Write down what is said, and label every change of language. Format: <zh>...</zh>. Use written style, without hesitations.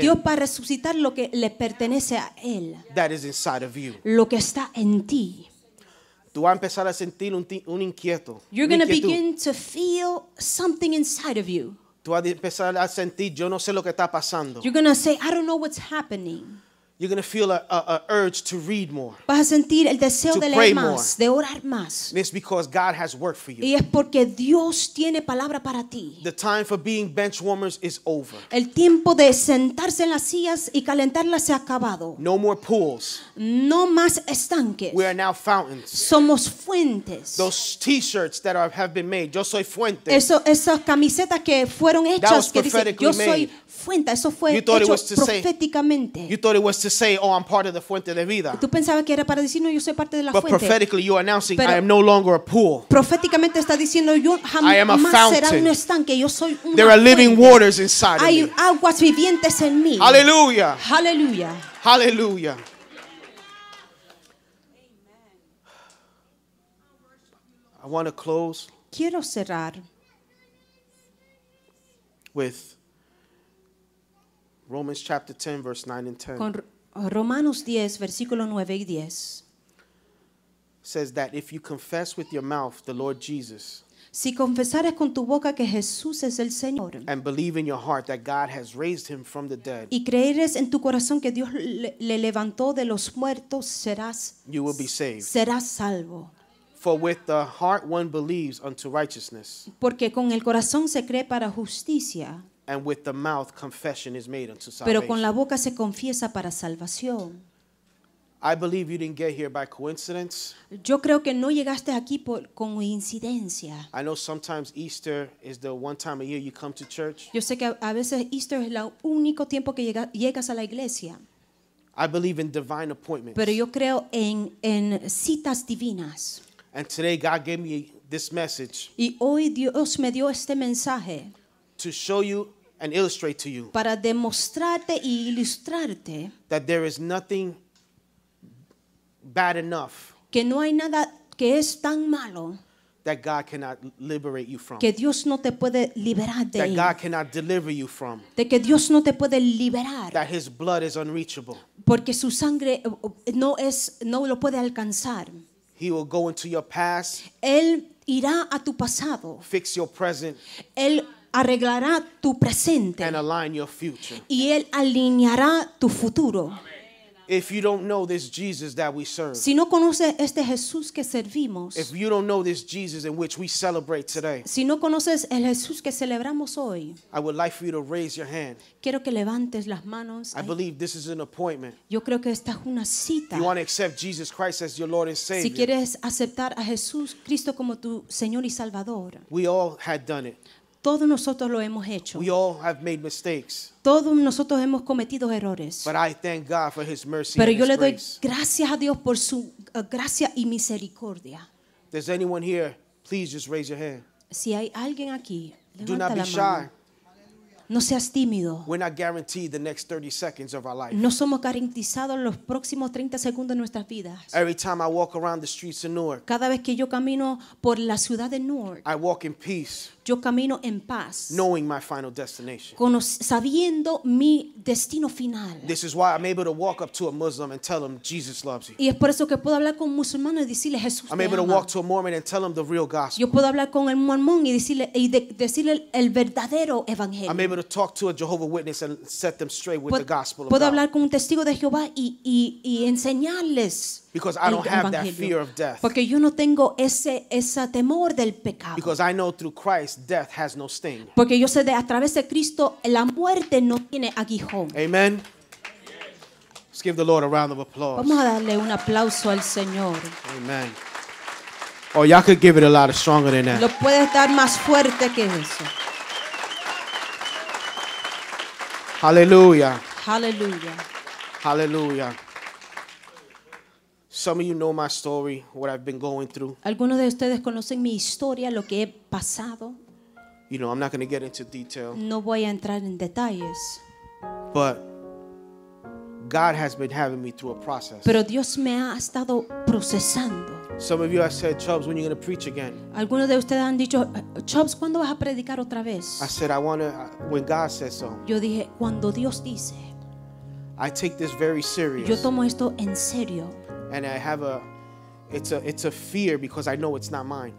<es>Dios va a resucitar lo que le pertenece a él.</es> <en>That is inside of you.</en> <es>Lo que está en ti. Tú vas a empezar a sentir un inquieto.</es> <en>You're going to begin to feel something inside of you.</en> <es>Tú vas a empezar a sentir, yo no sé lo que está pasando.</es> <en>You're going to say, I don't know what's happening. You're going to feel a urge to read more.</en> <es>Vas a sentir el deseo de leer más, de orar más.</es> <en>And it's because God has work for you.</en> <es>Y es porque Dios tiene palabra para ti.</es> <en>The time for being bench warmers is over.</en> <es>El tiempo de sentarse en las sillas y calentarlas se ha acabado.</es> <en>No more pools.</en> <es>No más estanques.</es> <en>We are now fountains.</en> <es>Somos fuentes.</es> <en>Those t-shirts that have been made.</en> <es>Yo soy fuente. Esas camisetas que fueron hechas que dicen yo soy fuente. Eso fue hecho proféticamente.</es> <en>You thought it was to say, oh, I'm part of the</en> <es>fuente de vida. Tú pensabas que era para decir, no, yo soy parte de la fuente.</es> <en>But prophetically, you're announcing, I am no longer a pool.</en> <es>Proféticamente está diciendo, yo jamás será un estanque. Yo soy una.</es> <en>There are living waters inside of me.</en> <es>Hay aguas vivientes en mí. Hallelujah. Hallelujah. Hallelujah.</es> <en>I want to close.</en> <es>Quiero cerrar</es> <en>with Romans chapter 10, verse 9 and 10.</en> <es>Con Romanos 10, versículo 9 y 10.</es> <en>Says that if you confess with your mouth the Lord Jesus,</en> <es>si confesares con tu boca que Jesús es el Señor,</es> <en>and believe in your heart that God has raised him from the dead,</en> <es>y creeres en tu corazón que Dios le levantó de los muertos, serás,</es> <en>you will be saved.</en> <es>Serás salvo.</es> <en>For with the heart one believes unto righteousness.</en> <es>Porque con el corazón se cree para justicia.</es> <en>And with the mouth confession is made unto salvation.</en> <es>Pero con la boca se confiesa para salvación.</es> <en>I believe you didn't get here by coincidence.</en> <es>Yo creo que no llegaste aquí por coincidencia.</es> <en>I know sometimes Easter is the one time a year you come to church.</en> <es>Yo sé que a veces Easter es el único tiempo que llegas a la iglesia.</es> <en>I believe in divine appointments.</en> <es>Pero yo creo en citas divinas.</es> <en>And today God gave me this message.</en> <es>Y hoy Dios me dio este mensaje.</es> <en>To show you and illustrate to you,</en> <es>para demostrarte y ilustrarte,</es> <en>that there is nothing bad enough,</en> <es>que no hay nada que es tan malo,</es> <en>that God cannot liberate you from,</en> <es>que Dios no te puede liberar de,</es> <en>that God cannot deliver you from,</en> <es>de que Dios no te puede liberar,</es> <en>that His blood is unreachable,</en> <es>porque su sangre no es, no lo puede alcanzar.</es> <en>He will go into your past,</en> <es>él irá a tu pasado,</es> <en>fix your present,</en> <es>él arreglará tu presente,</es> <en>and align your future.</en> <es>Y él alineará tu futuro.</es> <en>If you don't know this Jesus that we serve,</en> <es>si no conoces este Jesús que servimos,</es> <en>if you don't know this Jesus in which we celebrate today,</en> <es>si no conoces el Jesús que celebramos hoy,</es> <en>I would like for you to raise your hand.</en> <es>Quiero que levantes las manos.</es> <en>I believe this is an appointment.</en> <es>Yo creo que esta es una cita.</es> <en>You want to accept Jesus Christ as your Lord and Savior.</en> <es>Si quieres aceptar a Jesús Cristo como tu Señor y Salvador.</es> <en>We all had done it.</en> <es>Todos nosotros lo hemos hecho.</es> <en>We all have made mistakes.</en> <es>Todos nosotros hemos cometido errores.</es> <en>But I thank God for His mercy.</en> <es>Pero yo</es> <en>and His</en> <es>le doy</es> <en>grace.</en> <es>Gracias a Dios por su gracia y misericordia.</es> <en>Does anyone here, please just raise your hand.</en> <es>Si hay alguien aquí, levanta la mano.</es> <en>Do not be shy.</en> <es>Mano. No seas tímido.</es> <en>We're not guaranteed the next 30 seconds of our life.</en> <es>No somos garantizados los próximos 30 segundos de nuestras vidas.</es> <en>Every time I walk around the streets of Newark.</en> <es>Cada vez que yo camino por la ciudad de Newark.</es> <en>I walk in peace.</en> <es>Yo camino en paz.</es> <en>Knowing my final destination.</en> <es>Sabiendo mi destino final.</es> <en>This is why I'm able to walk up to a Muslim and tell him Jesus loves you.</en> <es>Y es por eso que puedo hablar con un musulmán y decirle Jesús te ama.</es> <en>I'm able to walk to a Mormon and tell him the real gospel.</en> <es>Yo puedo hablar con el mormón y decirle el verdadero evangelio.</es> <en>I'm able to talk to a Jehovah's Witness and set them straight with the gospel of God.</en> <es>Puedo hablar con un testigo de Jehová y enseñarles.</es> <en>Because I don't have that fear of death.</en> <es>Porque yo no tengo ese temor del pecado.</es> <en>Because I know through Christ death has no sting.</en> <es>Porque yo sé de a través de Cristo la muerte no tiene aguijón. Amen.</es> <en>Let's give the Lord a round of applause.</en> <es>Vamos a darle un aplauso al Señor. Amen.</es> <en>Oh, y'all could give it a lot stronger than that.</en> <es>Lo puede dar más fuerte que eso. Hallelujah. Hallelujah. Hallelujah.</es> <en>Some of you know my story, what I've been going through.</en> <es>Algunos de ustedes conocen mi historia, lo que he pasado.</es> <en>You know, I'm not going to get into detail.</en> <es>No voy a entrar en detalles.</es> <en>But God has been having me through a process.</en> <es>Pero Dios me ha estado procesando.</es> <en>Some of you have said, Chubbs, when are you going to preach again?</en> <es>Algunos de ustedes han dicho, Chubbs, ¿cuándo vas a predicar otra vez?</es> <en>I said, I want to, when God says so.</en> <es>Yo dije, cuando Dios dice.</es> <en>I take this very serious.</en> <es>Yo tomo esto en serio.</es> <en>And I have it's a fear because I know it's not mine.</en>